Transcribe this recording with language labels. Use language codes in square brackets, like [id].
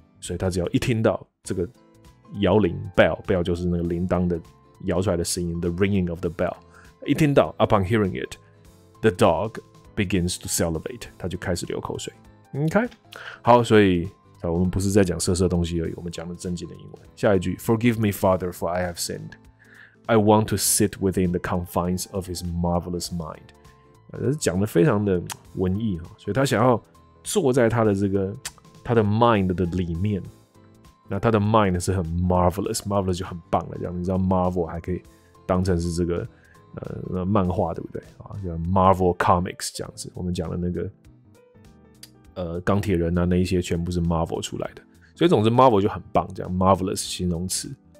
[zh] 所以他只要一听到这个摇铃 bell 就是那个铃铛的摇出来的声音 ， [en] the ringing of the bell， [zh] 一听到 [en] upon hearing it， the dog begins to salivate， [zh] 他就开始流口水。 OK， 好，所以。我们不是在讲色色东西而已，我们讲的正经的英文。下一句 [en] ，Forgive me, Father, for I have sinned. I want to sit within the confines of His marvelous mind. [zh] 讲的非常的文艺，所以他想要坐在他的这个他的 mind 的里面。那他的 mind 是很 marvelous 就很棒了。这样你知道 Marvel 还可以当成是这个漫画，对不对啊？叫 Marvel Comics 这样子，我们讲的那个。钢铁人啊，那一些全部是 Marvel 出来的，所以总之 Marvel 就很棒，这样 marvelous 形容词。